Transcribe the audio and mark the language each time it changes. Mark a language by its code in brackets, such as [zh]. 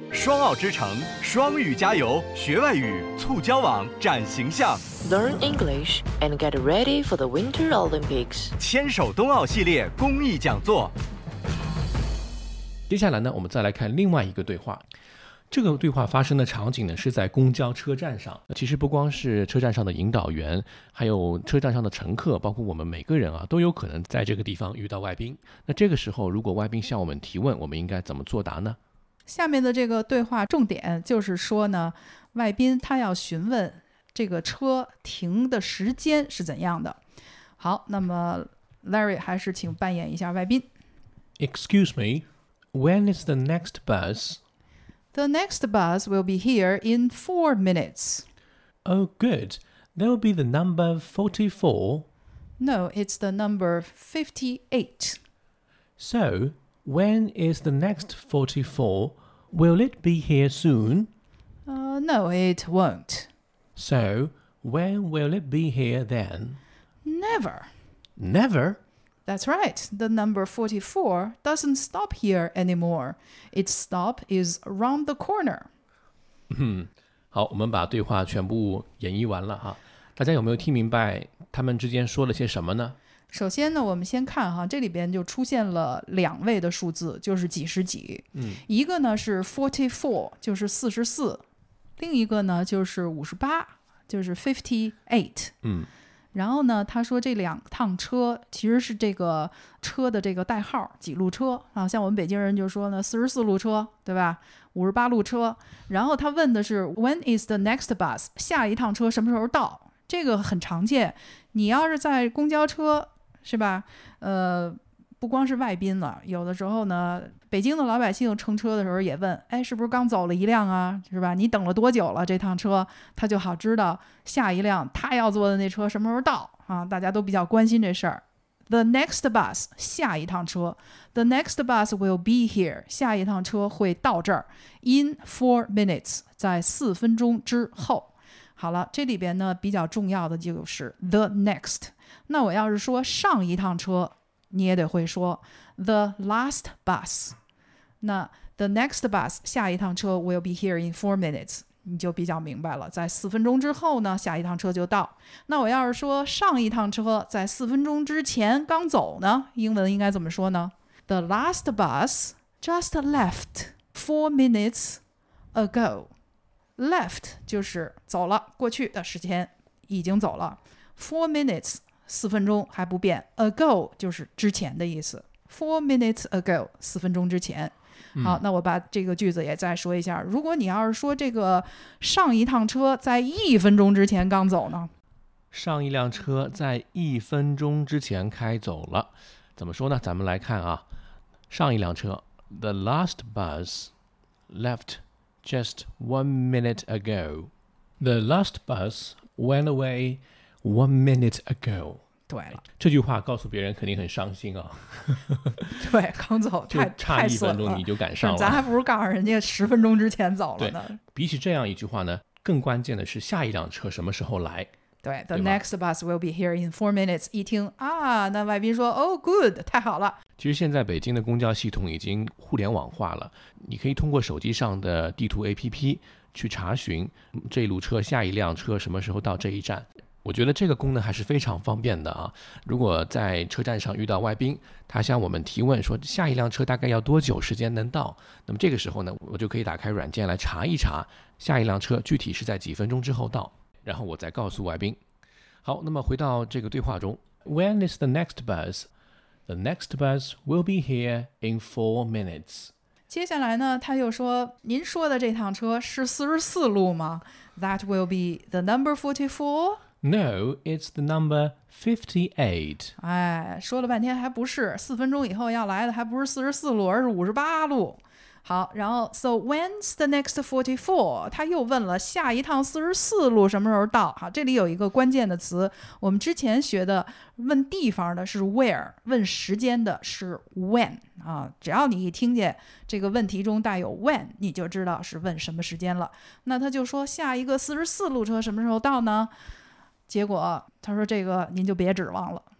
[zh] 双澳之城，双语加油，学外语，促交往，展形象。 [en] Learn English and get ready for the Winter Olympics. [zh] 牵手冬奥系列公益讲座。接下来呢，我们再来看另外一个对话。这个对话发生的场景呢，是在公交车站上。其实不光是车站上的引导员，还有车站上的乘客，包括我们每个人啊，都有可能在这个地方遇到外宾。那这个时候，如果外宾向我们提问，我们应该怎么作答呢？下面的这个对话重点就是说呢，外宾他要询问这个车停的时间是怎样的。好，那么 Larry 还是请扮演一下外宾。 [en] Excuse me, when is the next bus? The next bus will be here in 4 minutes. Oh, good. That will be the number 44. No, it's the number 58. So, when is the next 44? Will it be here soon? No, it won't. So, when will it be here then? Never. Never? That's right. The number 44 doesn't stop here anymore. Its stop is around the corner. [zh] 好，我们把对话全部演绎完了哈。大家有没有听明白他们之间说了些什么呢？首先呢，我们先看哈，这里边就出现了两位的数字，就是几十几。一个呢是 44, 就是44。另一个呢就是58，就是 58。然后呢他说这两趟车其实是这个车的这个代号几路车啊，像我们北京人就说呢44路车对吧，58路车。然后他问的是 [en] When is the next bus? [zh] 下一趟车什么时候到，这个很常见。你要是在公交车是吧，不光是外宾了，有的时候呢北京的老百姓乘车的时候也问，哎，是不是刚走了一辆啊，是吧，你等了多久了这趟车，他就好知道下一辆他要坐的那车什么时候到啊，大家都比较关心这事儿。 [en] The next bus, [zh] 下一趟车。 [en] The next bus will be here, [zh] 下一趟车会到这儿。 [en] In 4 minutes, [zh] 在四分钟之后。好了，这里边呢比较重要的就是 the next。那我要是说上一趟车你也得会说 [en] the last bus, [zh] 那 [en] the next bus [zh] 下一趟车 [en] will be here in 4 minutes, [zh] 你就比较明白了，在四分钟之后呢下一趟车就到。那我要是说上一趟车在四分钟之前刚走呢，英文应该怎么说呢？ [en] The last bus just left 4 minutes ago. [zh] Left 就是走了，过去的时间已经走了。 4 minutes四分钟还不变， ago 就是之前的意思， [en] 4 minutes ago [zh] 四分钟之前。好，那我把这个句子也再说一下，如果你要是说这个上一趟车在一分钟之前刚走呢，上一辆车在一分钟之前开走了，怎么说呢？咱们来看啊，上一辆车 [en] The last bus left just 1 minute ago. The last bus went away1 minute ago. [zh] 对了，这句话告诉别人肯定很伤心啊。对，刚走就差一分钟你就赶上了，咱还不如告诉人家十分钟之前走了呢。比起这样一句话呢，更关键的是下一辆车什么时候来。 [en] 对 The next bus will be here in 4 minutes. [zh] 一听啊，那外宾说 [en] Oh good, [zh] 太好了。其实现在北京的公交系统已经互联网化了，你可以通过手机上的地图 APP 去查询这一路车下一辆车什么时候到这一站。我觉得这个功能还是非常方便的啊！如果在车站上遇到外宾，他向我们提问说下一辆车大概要多久时间能到，那么这个时候呢，我就可以打开软件来查一查下一辆车具体是在几分钟之后到，然后我再告诉外宾。好，那么回到这个对话中， [en] When is the next bus? The next bus will be here in 4 minutes. [zh] 接下来呢他又说，您说的这趟车是44路吗？ [en] That will be the number 44? No, it's the number 58. [zh] 哎，说了半天还不是，四分钟以后要来的还不是44路，而是58路。好，然后 [en] So when's the next 44? [zh] 他又问了下一趟44路什么时候到。好，这里有一个关键的词，我们之前学的问地方的是 where, 问时间的是 when、啊、只要你一听见这个问题中带有 when, 你就知道是问什么时间了。那他就说下一个44路车什么时候到呢，结果他说这个您就别指望了。